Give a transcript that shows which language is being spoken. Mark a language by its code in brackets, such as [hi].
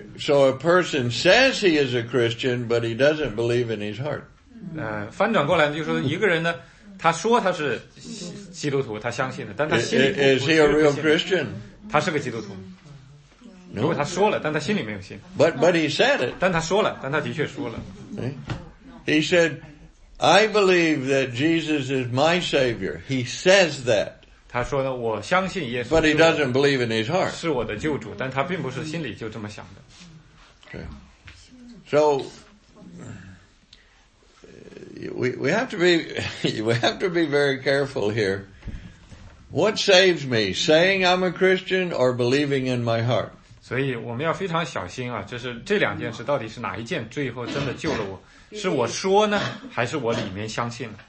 [en] So a person says he is a Christian, but he doesn't believe in his heart. [zh] 翻转过来就是说一个人呢他说他是基督徒他相信的但他心里不是。 [en] Is he a real Christian? [zh] 他是个基督徒。如果他说了但他心里没有信。 [en] But he said it. [zh] 但他说了但他的确说了。 [en] He said,I believe that Jesus is my Savior. He says that. [zh] 他说呢，我相信耶稣。 [en] But he doesn't believe in his heart. [zh] 是我的救主，但他并不是心里就这么想的。 [en] Okay. So we have to be very careful here. What saves me? Saying I'm a Christian or believing in my heart? [zh] 所以我们要非常小心啊！就是这两件事，到底是哪一件最后真的救了我？是我说呢，还是我里面相信